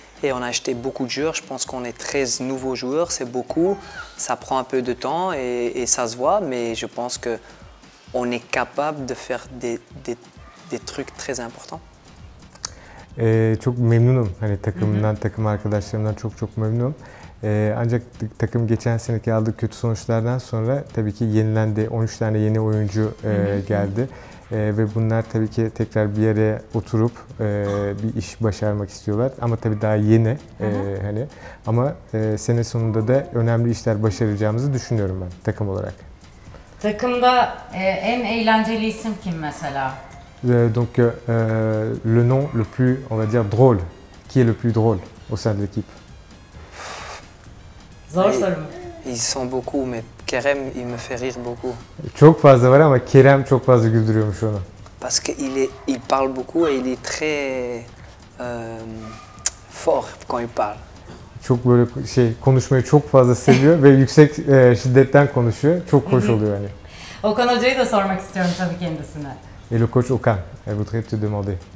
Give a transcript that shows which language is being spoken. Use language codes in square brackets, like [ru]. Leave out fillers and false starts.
[fr] Et on a acheté beaucoup de joueurs. Je pense qu'on est 13 nouveaux joueurs, c'est beaucoup. Ça prend un peu de temps et ça se voit, mais je pense que on est capable de faire des trucs très importants. [tr] Çok memnunum. Hani takımdan, takım arkadaşlarımdan çok çok memnunum. Ancak takım geçen seneki aldığı kötü sonuçlardan sonra tabii ki yenilendi. 13 tane yeni oyuncu geldi. Ve bunlar tabii ki tekrar bir yere oturup bir iş başarmak istiyorlar. Ama tabii daha yeni hani. Ama sene sonunda da önemli işler başaracağımızı düşünüyorum ben takım olarak. Takımda en eğlenceli isim kim mesela? [fr] Donc le nom le plus, on va dire drôle. Qui est le plus drôle au sein de l'équipe? [tr] Zor soru. [fr] Ils sont beaucoup mais Kerem il me fait rire beaucoup. [tr] Çok fazla var ama Kerem çok fazla güldürüyormuş onu. [fr] Parce que il parle beaucoup et il est très fort quand il parle. [tr] Çok böyle şey konuşmayı çok fazla seviyor ve yüksek şiddetten konuşuyor. Çok hoş oluyor hani. Okan Hoca'yı da sormak istiyorum tabii kendisine. [fr] Et le coach Okan, elle voudrait te demander.